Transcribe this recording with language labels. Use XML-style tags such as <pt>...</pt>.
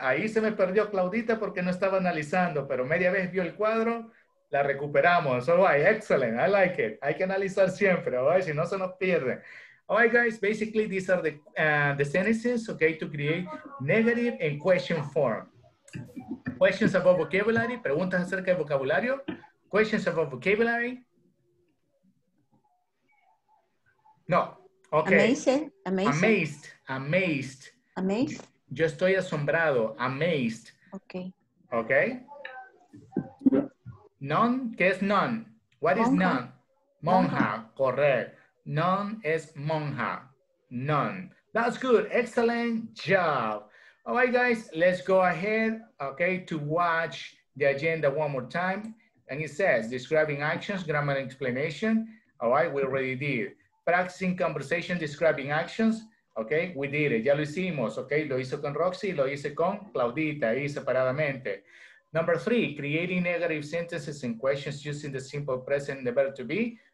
<es>Ahí se me perdió Claudita porque no estaba analizando, pero media vez vio el cuadro, la recuperamos.</es> <en>All right, excellent. I like it.</en> <es>Hay que analizar siempre,</es> <en>all right?</en> <es>Si no, se nos pierde.</es> <en>All right, guys. Basically, these are the sentences, okay, to create negative and question form. Questions about vocabulary,</en> <es>preguntas acerca de vocabulario.</es> <en>Questions about vocabulary. No. Okay. Amazed. Amazed. Amazed.</en> <es>Yo estoy asombrado. Amazed.</es> <en>Okay. Okay. Nun.</en> <es>¿Qué es nun?</es> <en>What monja. Is nun? Monja. Correct.</en> <es>Nun es monja.</es> <en>Nun. That's good. Excellent job. All right, guys. Let's go ahead. Okay, to watch the agenda one more time. And it says describing actions, grammar explanation. All right, we already did. Practicing conversation, describing actions. Okay, we did it.</en> <es>Ya lo hicimos. Okay, lo hizo con Roxy, lo hice con Claudita, ahí separadamente.</es> <en>Number three, creating negative sentences and questions using the simple present and the verb to be.</en>